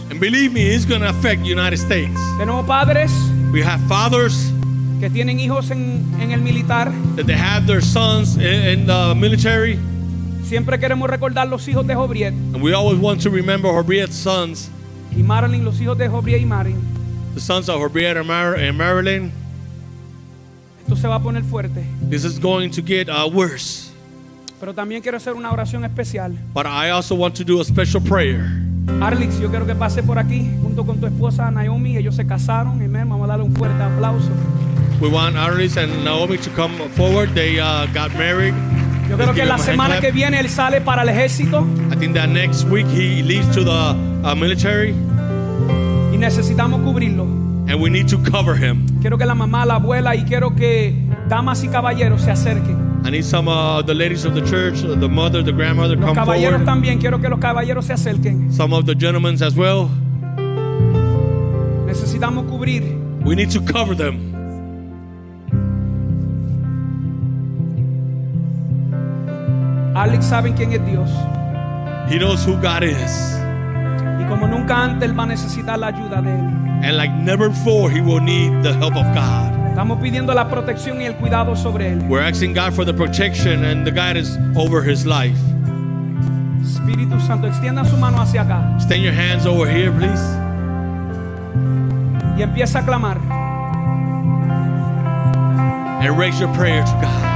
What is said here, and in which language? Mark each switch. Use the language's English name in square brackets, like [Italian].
[English] And believe me, it's going to affect the United States. [Spanish] Tenemos padres. [English] We have fathers [Spanish] que tienen hijos en el militar. [English] That they have their sons in the military. [Spanish] Siempre queremos recordar los hijos de Jobriet. [English] And we always want to remember Jobriet's sons. [Spanish] Y Marilyn, los hijos de Jobriet y Marilyn. [English] The sons of Jobriet and Marilyn. [Spanish] Esto se va a poner fuerte. [English] This is going to get worse. [Spanish] Pero también quiero hacer una oración especial. [English] But I also want to do a special prayer. [Spanish] Arlix, yo quiero que pase por aquí junto con tu esposa Naomi. Ellos se casaron. Amen. Vamos a darle un fuerte aplauso. [English] We want Arlix and Naomi to come forward. They got married. [Spanish] Yo creo que la semana que viene él sale para el ejército. [English] I think that next week he leaves to the military. [Spanish] Y necesitamos cubrirlo. [English] And we need to cover him. [Spanish] Quiero que la mamá, la abuela y quiero que damas y caballeros se acerquen. [English] I need some of the ladies of the church, the mother, the grandmother, [Spanish] los [English] come forward. [Spanish] Los caballeros también, quiero que los caballeros se acerquen. [English] Some of the gentlemen as well. [Spanish] Necesitamos cubrir. [English] We need to cover them. [Spanish] Alex saben quién es Dios. [English] He knows who God is. [Spanish] Y como nunca antes, él va a necesitar la ayuda de él. [English] And like never before, he will need the help of God. [Spanish] Estamos pidiendo la protección y el cuidado sobre él. [English] We're asking God for the protection and the guidance over his life. [Spanish] Espíritu Santo, extienda su mano hacia acá. [English] Extend your hands over here, please. [Spanish] Y empieza a clamar. [English] And raise your prayer to God.